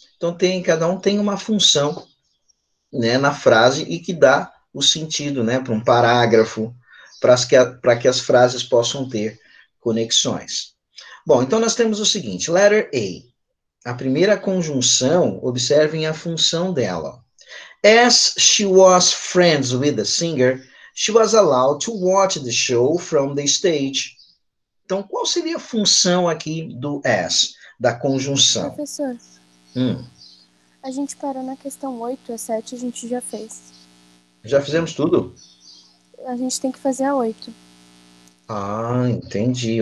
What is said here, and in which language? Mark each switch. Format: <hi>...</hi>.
<pt>Então, cada um tem uma função, né, na frase, e que dá o sentido, né, para um parágrafo, para que as frases possam ter conexões. Bom, então nós temos o seguinte,</pt> <en>letter A.</en> <pt>A primeira conjunção, observem a função dela.</pt> <en>As she was friends with the singer, she was allowed to watch the show from the stage.</en> <pt>Então, qual seria a função aqui do as, da conjunção? Professor, a gente parou na questão 8, a 7 a gente já fez. Já fizemos tudo? A gente tem que fazer a 8. Ah, entendi.</pt>